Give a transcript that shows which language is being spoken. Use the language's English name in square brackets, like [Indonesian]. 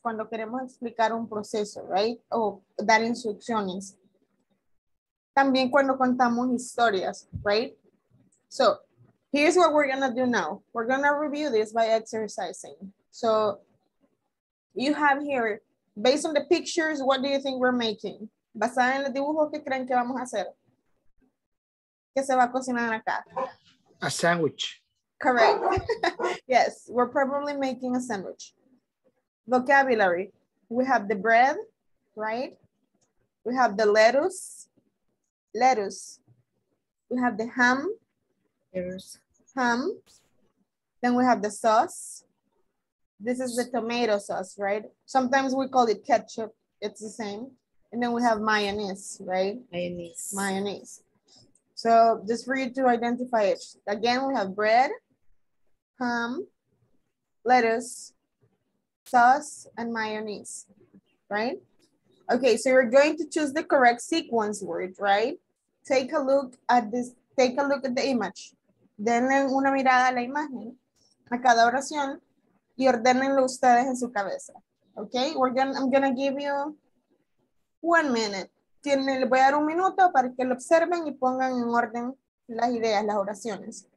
[Spanish] Cuando queremos explicar un proceso, right? O dar instrucciones. También cuando contamos historias, [English] right? So here's what we're gonna do now. We're gonna review this by exercising. So you have here, based on the pictures, what do you think we're making? [Spanish] Basada en los dibujos, ¿qué creen que vamos a hacer? ¿Qué se va a cocinar acá? [English] A sandwich. Correct. Yes, we're probably making a sandwich. Vocabulary. We have the bread, right? We have the lettuce. Lettuce. We have the ham. Yes. Ham. Then we have the sauce. This is the tomato sauce, right? Sometimes we call it ketchup. It's the same. And then we have mayonnaise, right? Mayonnaise. So just for you to identify it. Again, we have bread, ham, lettuce, sauce, and mayonnaise, right? Okay, so you're going to choose the correct sequence word, right? Take a look at this, take a look at the image. [Spanish] Denle una mirada a la imagen, a cada oración, y ordenenlo ustedes en su cabeza. [English] Okay, I'm gonna give you 1 minute. [Spanish] Voy a dar un minuto para que lo observen y pongan en orden las ideas, las oraciones.